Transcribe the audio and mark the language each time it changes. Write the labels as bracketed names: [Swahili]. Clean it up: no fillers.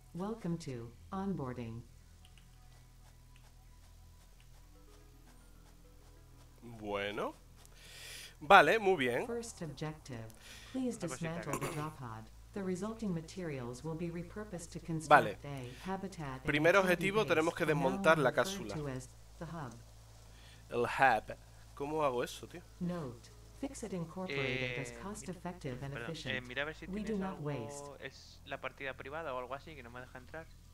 [English] Welcome to onboarding. [Spanish] Bueno. Vale, muy bien. [English] First objective. Please dismantle the drop pod. The resulting materials will be repurposed to construct [Spanish] vale. [English] A habitat. [Spanish] Primer objetivo, tenemos que desmontar la cápsula. [English] The hub. [Spanish] El hub. ¿Cómo hago eso, tío? [English] Note. Fix it incorporated as cost effective and efficient. [Spanish] Mira a ver si [English] we do not waste. [Spanish] Es la partida privada o algo así que no me deja entrar.